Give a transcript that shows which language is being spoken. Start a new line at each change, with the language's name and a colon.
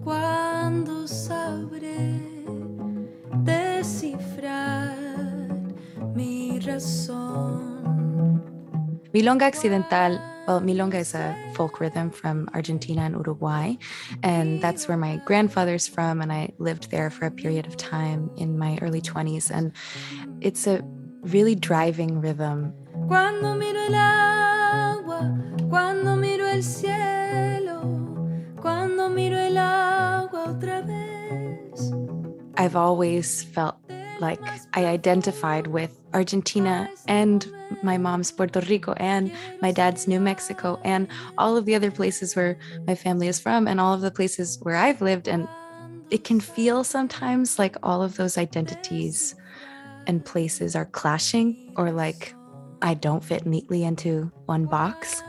Spanish: Cuando sabré descifrar mi razón.
English: Milonga Accidental, well, milonga is a folk rhythm from Argentina and Uruguay, and that's where my grandfather's from, and I lived there for a period of time in my early 20s, and it's a really driving rhythm.
Spanish: Cuando miro el agua, cuando miro el cielo, cuando miro el agua otra vez.
English: I've always felt like I identified with Argentina and my mom's Puerto Rico and my dad's New Mexico and all of the other places where my family is from and all of the places where I've lived. And it can feel sometimes like all of those identities and places are clashing, or like I don't fit neatly into one box.